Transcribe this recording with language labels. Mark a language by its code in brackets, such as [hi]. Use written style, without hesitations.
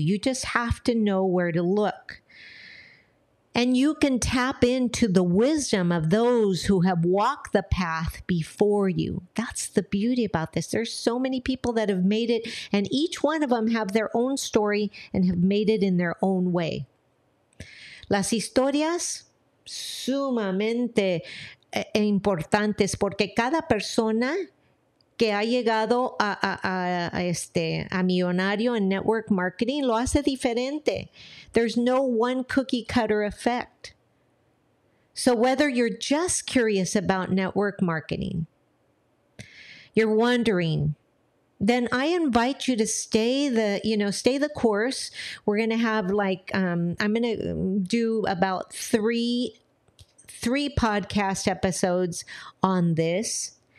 [en] You just have to know where to look. And you can tap into the wisdom of those who have walked the path before you. That's the beauty about this. There's so many people that have made it, and each one of them have their own story and have made it in their own way. [es] Las historias sumamente importantes, porque cada persona que ha llegado a millonario en network marketing lo hace diferente. [en] There's no one cookie cutter effect. So whether you're just curious about network marketing, you're wondering, then I invite you to stay the course. We're going to have I'm going to do about three podcast episodes on this.